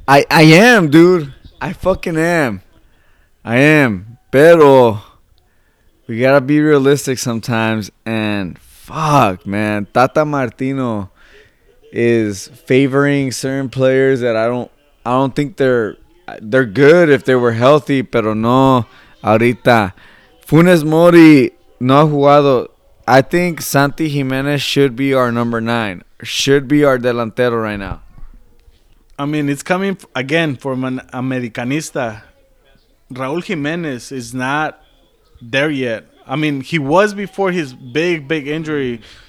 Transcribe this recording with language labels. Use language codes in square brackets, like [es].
[en] I am, dude. I fucking am. I am. [es] Pero [en] we gotta be realistic sometimes. And fuck, man, Tata Martino is favoring certain players that I don't think they're good if they were healthy. [es] Pero no, ahorita Funes Mori no ha jugado. [en] I think Santi Jimenez should be our number 9. Should be our delantero right now. I mean, it's coming again from an Americanista. Raul Jimenez is not there yet. I mean, he was before his big, big injury.